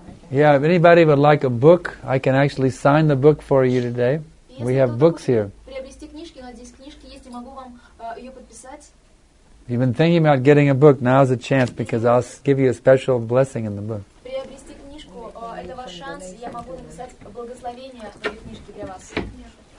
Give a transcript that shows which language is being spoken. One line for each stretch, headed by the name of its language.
English: Yeah, if anybody would like a book, I can actually sign the book for you today.
Russian: Если
English: we have books here.
Russian: Приобрести книжки, у нас здесь книжки есть, и могу вам ее подписать.
English: You've been thinking about getting a book. Now's a chance, because I'll give you a special blessing in the book.
Russian: Приобрести книжку, это ваш шанс, и я могу написать благословение в этой книжке для вас.